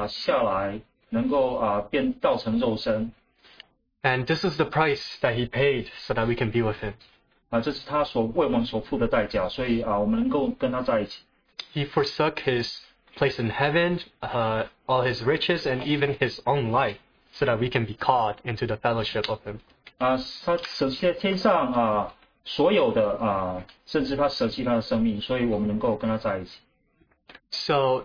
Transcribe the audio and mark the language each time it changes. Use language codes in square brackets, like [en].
[zh] 他因为他的爱，他能够下来，能够变道成肉身。 [en] And this is the price that he paid so that we can be with him. [zh] 这是他为我们所付的代价，所以我们能够跟他在一起。 [en] He forsook his place in heaven, all his riches, and even his own life, so that we can be called into the fellowship of him. [zh] 他舍弃天上所有的，甚至他舍弃他的生命，所以我们能够跟他在一起。So